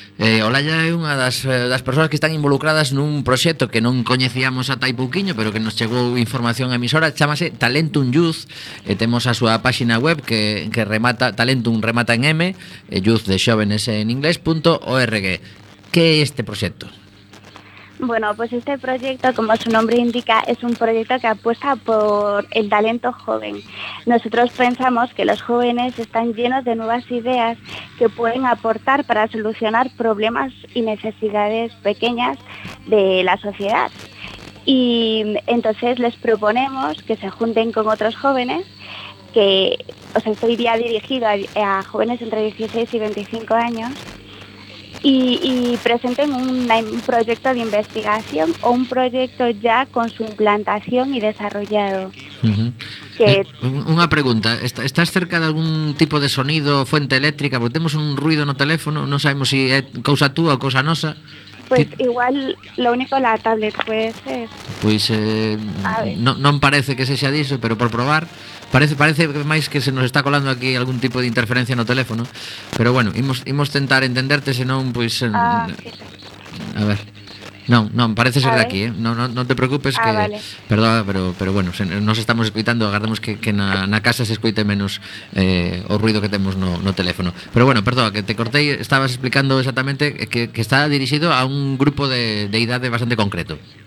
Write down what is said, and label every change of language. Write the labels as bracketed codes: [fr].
[gl] Olaya é unha das persoas que están involucradas nun proxecto que non coñecíamos ata aí pouquiño, pero que nos chegou información a emisora. Chámase Talentum Youth. Temos a súa páxina web que remata, Talentum remata en M, Youth de Xóvenes en inglés, .org. [es] ¿Qué es este proyecto? Bueno, pues este proyecto, como su nombre indica, es un proyecto que apuesta por el talento joven. Nosotros pensamos que los jóvenes están llenos de nuevas ideas que pueden aportar para solucionar problemas y necesidades pequeñas de la sociedad. Y entonces les proponemos que se junten con otros jóvenes, que, o sea, este iría dirigido a jóvenes entre 16 y 25 años, Y presenten un proyecto de investigación o un proyecto ya con su implantación y desarrollado. Una pregunta, ¿estás cerca de algún tipo de sonido, fuente eléctrica? Porque tenemos un ruido en el teléfono, no sabemos si es cosa tuya o cosa nosa. Pues igual, lo único, la tablet puede ser. Pues no parece que sea eso, pero por probar. [gl] Parece máis que se nos está colando aquí algún tipo de interferencia no teléfono. Pero bueno, imos tentar entenderte, senón, pois... [es] Pues, a ver... [gl] Non, parece ser de aquí, eh. Non te preocupes que... [es] Vale. [gl] Perdón, pero bueno, nos estamos escuitando. Agardemos que na casa se escuite menos o ruido que temos no teléfono. Pero bueno, perdón, que te cortei. Estabas explicando exactamente que está dirixido a un grupo de idade bastante concreto.